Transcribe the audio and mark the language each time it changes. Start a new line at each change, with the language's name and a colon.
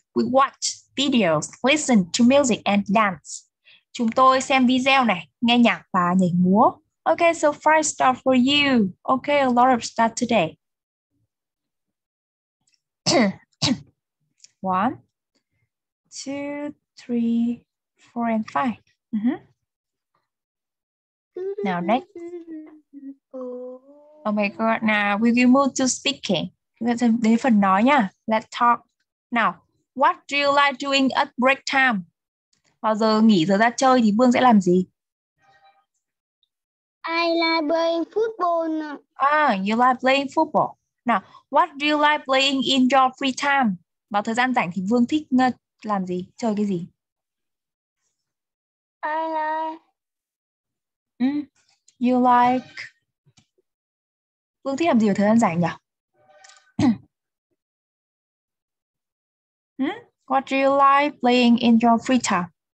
English: We watch videos, listen to music and dance.
Vietnamese: Chúng tôi xem video này, nghe nhạc và nhảy múa.
English: Okay, so 5 stars for you. Okay, a lot of stars today. 1, 2, 3, 4, and 5. Mm-hmm. Now next. Oh my god, now we will move to speaking.
Vietnamese: Đến phần nói nha.
English: Let's talk. Now, what do you like doing at break time?
Vietnamese: Vào giờ nghỉ giờ ra chơi thì Vương sẽ làm gì?
English: I like playing football. You like playing football. Now, what do you like playing in your free time?
Vietnamese: Vào thời gian rảnh thì Vương thích làm gì? Chơi cái gì?
English: I like... You like...
Vietnamese: Vương thích làm gì ở thời gian rảnh nhỉ?
English: What do you like playing in your free time?